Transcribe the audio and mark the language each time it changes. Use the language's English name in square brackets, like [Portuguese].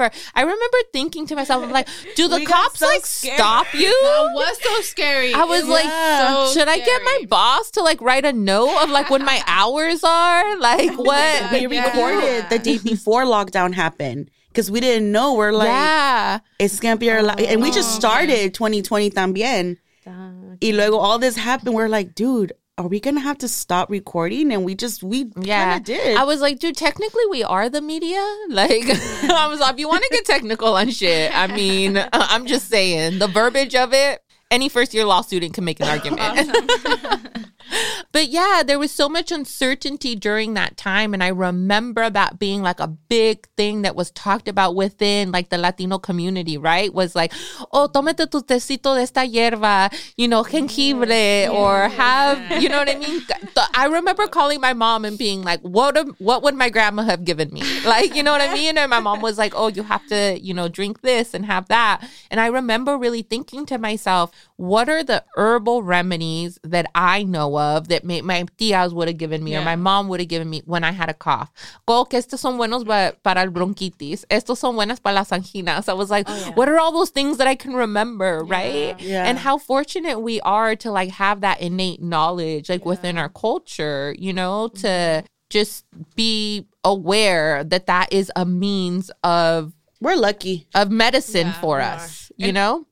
[English] Or I remember thinking to myself, I'm like, do the cops, so like, scared. Stop you? That was so scary. I was like, so should scary. I get my boss to, like, write a note of, like, when my hours are? Like, what? We recorded the day before lockdown happened because we didn't know. We're like, it's gonna be our life. And we just started 2020 [Spanish] también. Y luego [English] all this happened. We're like, dude, are we gonna have to stop recording? And we kind of did. I was like, dude, technically we are the media. Like, I was like, if you want to get technical on shit, I mean, I'm just saying the verbiage of it. Any first year law student can make an argument. But yeah, there was so much uncertainty during that time. And I remember that being like a big thing that was talked about within like the Latino community, right? Was like, oh, [Spanish] tómate tu tecito de esta hierba, [English] you know, jengibre you know what I mean? I remember calling my mom and being like, what would my grandma have given me? Like, you know what I mean? And my mom was like, oh, you have to, you know, drink this and have that. And I remember really thinking to myself, what are the herbal remedies that I know of that my tías would have given me or my mom would have given me when I had a cough? [Spanish] Que estos son buenos para el bronquitis. Estos son buenas para las anginas. [English] I was like, what are all those things that I can remember, right? Yeah. And how fortunate we are to, like, have that innate knowledge, like, within our culture, you know, to just be aware that that is a means of... We're lucky. ...of medicine for us, you know?